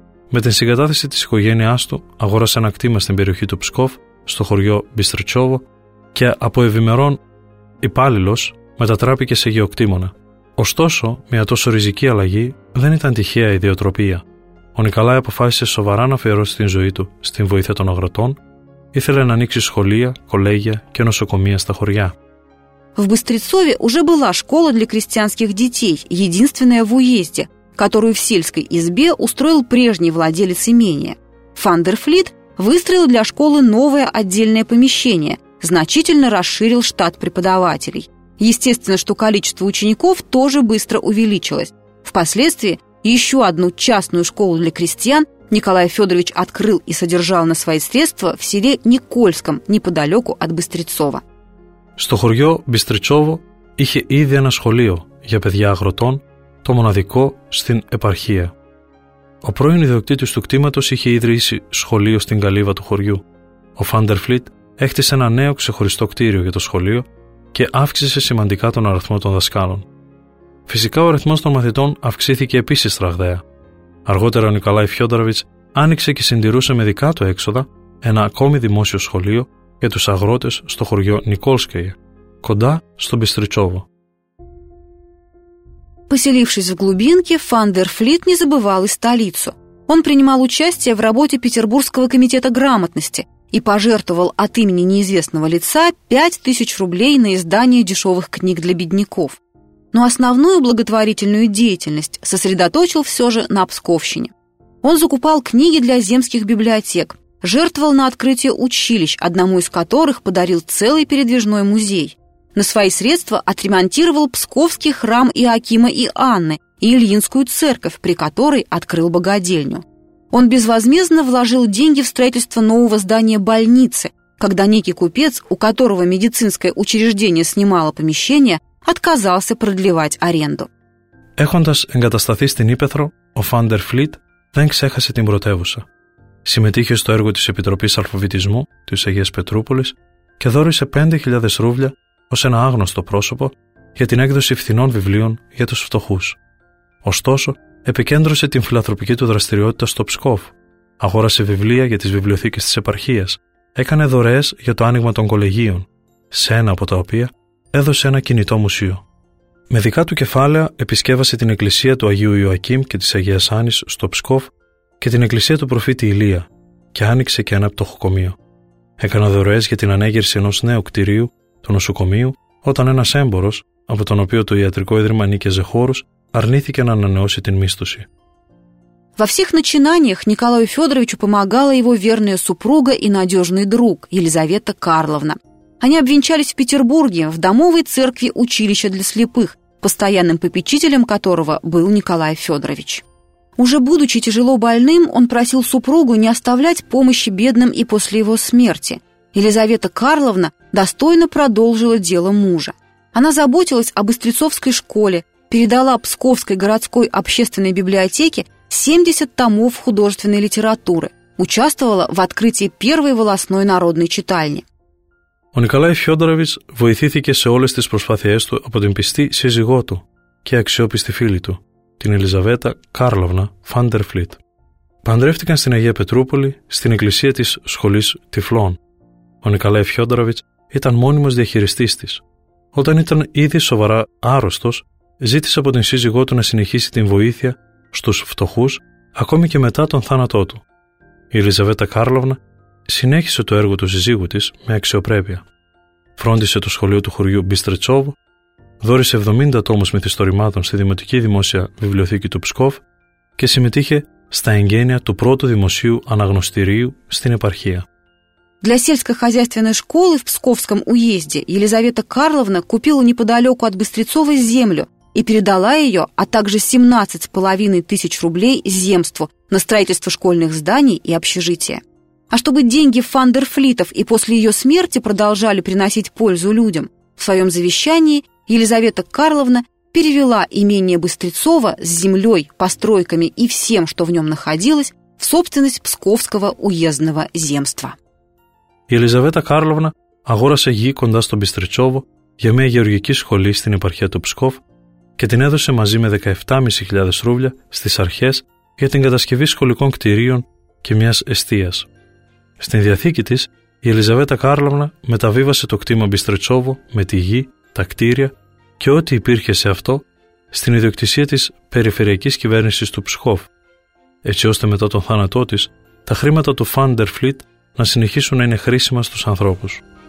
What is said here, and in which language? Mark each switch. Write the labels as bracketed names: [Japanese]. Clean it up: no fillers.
[Greek] Με την συγκατάθεση της οικογένειάς του, αγόρασε ένα κτήμα στην περιοχή του Ψκόφ, στο χωριό Μπιστρετσόβο, και από ευημερών υπάλληλος μετατράπηκε σε γεωκτήμονα. Ωστόσο, μια τόσο ριζική αλλαγή δεν ήταν τυχαία ιδιοτροπία. Ο Νικολάη αποφάσισε σοβαρά να αφιερώσει την ζωή του στην βοήθεια των αγροτών, ήθελε να ανοίξει σχολεία, κολέγια και νοσοκομεία στα χωριά. [Russian] В Быстрецове уже была школа для крестьянских детей, единственная в уезде, которую в сельской избе устроил прежний владелец имения. Ван дер Флит выстроил для школы новое отдельное помещение, значительно расширил штат преподавателей. Естественно, что количество учеников тоже быстро увеличилось. Впоследствии еще одну частную школу для крестьян Николай Федорович открыл и содержал на свои средства в селе Никольском, неподалеку от Быстрецова. [Greek] Στο χωριό Μπιστρετσόβο είχε ήδη ένα σχολείο για παιδιά αγροτών, το μοναδικό στην επαρχία. Ο πρώην ιδιοκτήτης του κτήματος είχε ιδρύσει σχολείο στην καλύβα του χωριού. Ο Ван дер Флит έκτισε ένα νέο ξεχωριστό κτίριο για το σχολείο και αύξησε σημαντικά τον αριθμό των δασκάλων. Φυσικά ο αριθμός των μαθητών αυξήθηκε επίσης τραγδαία. Αργότερα ο Νικολάη Φιόνταροβιτς άνοιξε και συντηρούσε με δικά του έξοδα ένα ακόμη δημόσιο σχολείο για τους αγρότες στο χωριό Νικόλσκεια, κοντά στο Μπιστρετσόβο. [Russian] Поселившись в глубинке, Ван дер Флит не забывал и столицу. Он принимал участие в работе Петербургского комитета грамотности и пожертвовал от имени неизвестного лица 5000 рублей на издание дешевых книг для бедняков. Но основную благотворительную деятельность сосредоточил все же на Псковщине. Он закупал книги для земских библиотек, жертвовал на открытие училищ, одному из которых подарил целый передвижной музей. На свои средства отремонтировал Псковский храм Иоакима и Анны и Ильинскую церковь, при которой открыл богадельню. Он безвозмездно вложил деньги в строительство нового здания больницы, когда некий купец, у которого медицинское учреждение снимало помещение, отказался продлевать аренду. [Greek] Έχοντας εγκατασταθεί στην Ήπεθρο, ο Ван дер Флит δεν ξέχασε την πρωτεύουσα. Συμμετείχε στο έργο της Επιτροπής Αλφαβητισμού της Αγίας Πετρούπολης και δώρισε 5.000 ρούβλια ως ένα άγνωστο πρόσωπο για την έκδοση φθηνών βιβλίων για τους φτωχούς. Ωστόσο, επικέντρωσε την φιλανθρωπική του δραστηριότητα στο Ψκόφ, αγόρασε βιβλία για τις βιβλιοθήκες της επαρχίας, έκανε δωρεές για το άνοιγμα των κολεγίων, σε ένα από τα οποία έδωσε ένα κινητό μουσείο. Με δικά του κεφάλαια επισκέβασε την εκκλησία του Αγίου Ιωακείμ και της Αγίας Άνης στο Ψκόφ και την εκκλησία του προφήτη Ηλία και άνοιξε και ένα πτωχοκομείο. Έκανε δωρεές για την ανέγερση ενός νέου κτηρίου, του νοσοκομείου, όταν ένας έμπορος, από τον οποίο το ιατρικό ίδρυμα νίκιαζε χώρους, αρνήθηκε να ανανεώσει την μίσθωση. [Russian] Во всех начинаниях Николаю Федоровичу помогала его верная супруга и надежный друг Елизавета Карловна. Они обвенчались в Петербурге, в домовой церкви училища для слепых, постоянным попечителем которого был Николай Федорович. Уже будучи тяжело больным, он просил супругу не оставлять помощи бедным и после его смерти. Елизавета Карловна достойно продолжила дело мужа. Она заботилась об Истрецовской школе, передала Псковской городской общественной библиотеке 70 томов художественной литературы, участвовала в открытии первой волостной народной читальни. [Greek] Ο Νικολάη Φιόντοροβιτς βοηθήθηκε σε όλες τις προσπάθειές του από την πιστή σύζυγό του και αξιόπιστη φίλη του, την Ελιζαβέτα Κάρλοβνα Φαντερφλίτ. Παντρεύτηκαν στην Αγία Πετρούπολη, στην εκκλησία της σχολής Τυφλών. Ο Νικολάη Φιόντοροβιτς ήταν μόνιμος διαχειριστής της. Όταν ήταν ήδη σοβαρά άρρωστος, ζήτησε από την σύζυγό του να συνεχίσει την βοήθεια στους φτωχούς ακόμη και μετά τον θάνατό του. Η Ελιζαβέτα Κάρλοβνα συνέχισε το έργο του συζύγου της με αξιοπρέπεια. Φρόντισε το σχολείο του χωριού Μπιστρετσόβου, δόρισε 70 τόμους μυθιστορημάτων στη Δημοτική Δημόσια Βιβλιοθήκη του Ψκόφ και συμμετείχε στα εγγένεια του πρώτου δημοσίου αναγνωστηρίου στην επαρχία. [Russian] Для сельскохозяйственной школы в Псковском уезде Елизавета Карловна купила неподалеку от Быстрецова землю и передала ее, а также 17 500 рублей земству на строительство школьных зданий и общежития. А чтобы деньги Фандерфлитов и после ее смерти продолжали приносить пользу людям, в своем завещании Елизавета Карловна перевела имение Быстрецова с землей, постройками и всем, что в нем находилось, в собственность Псковского уездного земства. [Greek] Η Ελιζαβέτα Κάρλοβνα αγόρασε γη κοντά στον Μπιστρετσόβο για μια γεωργική σχολή στην επαρχία του Ψκόφ και την έδωσε μαζί με 17.500 ρούβλια στις αρχές για την κατασκευή σχολικών κτηρίων και μιας εστίας. Στην διαθήκη της, η Ελιζαβέτα Κάρλοβνα μεταβίβασε το κτήμα Μπιστρετσόβο με τη γη, τα κτίρια και ό,τι υπήρχε σε αυτό στην ιδιοκτησία της περιφερειακής κυβέρνησης του Ψκόφ, έτσι ώστε μετά τον θάνατό της, τα χρήματα του Φαντερφλίτ να συνεχίσουν να είναι χρήσιμα στους ανθρώπους.